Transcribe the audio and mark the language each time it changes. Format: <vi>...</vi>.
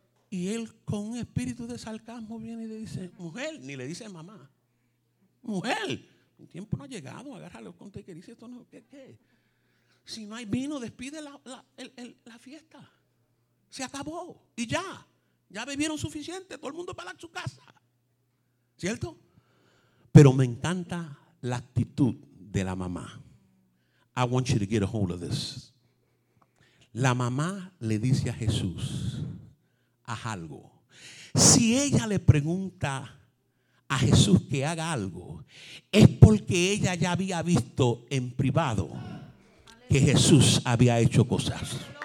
<es>Y él, con un espíritu de sarcasmo, viene y le dice, mujer, ni le dice mamá, mujer, el tiempo no ha llegado, agárralo con te que dice esto, no, ¿qué? Si no hay vino, despide la fiesta, se acabó y ya. Ya bebieron suficiente, todo el mundo para su casa. ¿Cierto? Pero me encanta la actitud de la mamá.</es> <en>I want you to get a hold of this.</en> <es>La mamá le dice a Jesús, haz algo. Si ella le pregunta a Jesús que haga algo es porque ella ya había visto en privado que Jesús había hecho cosas.</es>